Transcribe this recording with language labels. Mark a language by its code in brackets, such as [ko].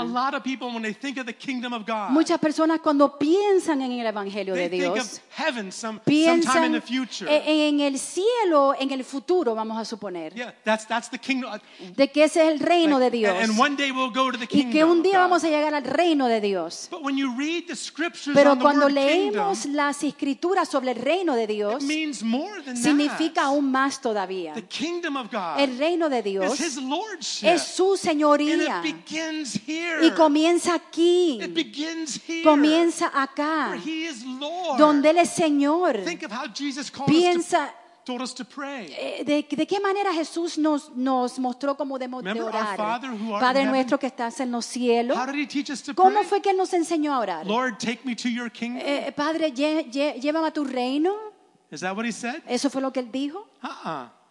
[en] A lot of people when they think of the kingdom of God. [es] Muchas personas cuando piensan en el evangelio de Dios. [en] They think of heaven sometime in the future. [es] Piensan en el cielo en el futuro, vamos a suponer. [en] Yeah, that's the kingdom. [es] De que ese es el reino de Dios. [en] And one day we'll go to the kingdom. [es] Y que un día vamos a llegar al reino de Dios. [en] But when you read the scriptures [es] Pero cuando leemos las escrituras sobre el reino de Dios, [en] it means more than that. [es] Significa aún más todavía. [en] The kingdom of God [es] El reino de Dios [en] is his lordship. [es] Es su señoría. [en] And it begins here. [es] Y comienza aquí. [en] It begins here. [es] Comienza acá. [en] Where he is Lord. [es] Donde él es Señor. [en] Think of how Jesus taught us to pray. [es] De qué manera Jesús nos mostró cómo debemos [en] Remember, [es] de orar. [en] Our Father, who [es] Padre [en] heaven, [es] nuestro que estás en los cielos. [en] How did he teach us to [es] ¿Cómo [en] pray? [es] Fue que él nos enseñó a orar? [en] Lord, take me to your kingdom. [es] Padre, llévame a tu reino. [en] Is that what he said? [es] Eso fue lo que él dijo. Uh-uh.